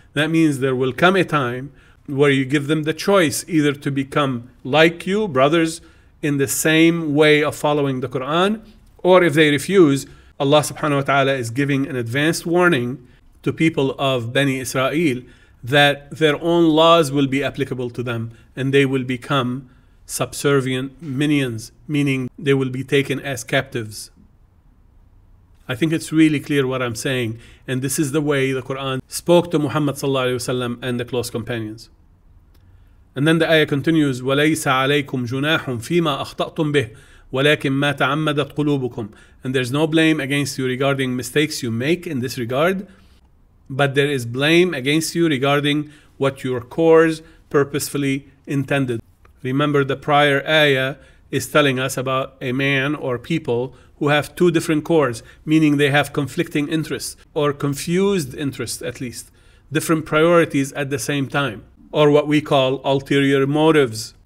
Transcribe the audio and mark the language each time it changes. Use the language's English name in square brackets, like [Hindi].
[English] That means there will come a time where you give them the choice either to become like you, brothers, in the same way of following the Quran, or if they refuse, Allah subhanahu wa ta'ala is giving an advanced warning to people of Bani Israel that their own laws will be applicable to them and they will become subservient minions, meaning they will be taken as captives. I think it's really clear what I'm saying, and this is the way the Quran spoke to Muhammad sallallahu alayhi wa sallam and the close companions. And then the ayah continues, [Arabic] وَلَيْسَ عَلَيْكُمْ جُنَاحٌ فِي مَا أَخْطَأْتُمْ بِهِ وَلَكِمْ مَا تَعَمَّدَتْ قُلُوبُكُمْ. [English] And there's no blame against you regarding mistakes you make in this regard, but there is blame against you regarding what your cores purposefully intended. Remember, the prior ayah is telling us about a man or people who have two different cores, meaning they have conflicting interests, or confused interests at least, different priorities at the same time, or what we call ulterior motives.